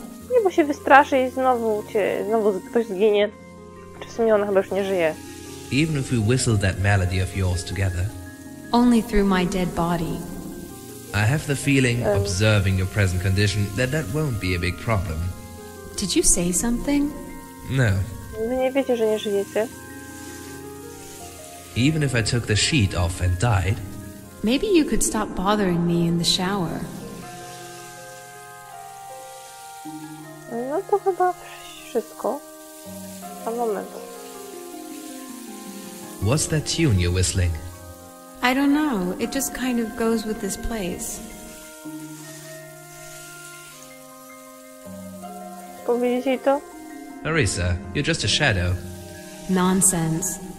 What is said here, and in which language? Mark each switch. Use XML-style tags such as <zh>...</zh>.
<pl>Nie, bo się wystraszy i znowu ktoś zginie. Czy w sumie ona chyba już nie żyje.</pl> <en>Even if we whistled that melody of yours together? Only through my dead body. I have the feeling, observing your present condition, that won't be a big problem. Did you say something? No.</en> <pl>Wy nie wiecie, że nie żyjecie.</pl> <en>Even if I took the sheet off and died? Maybe you could stop bothering me in the shower.</en> <pl>No to chyba wszystko. A moment.</pl> <en>What's that tune you're whistling? I don't know. It just kind of goes with this place. Arisa, you're just a shadow. Nonsense.</en>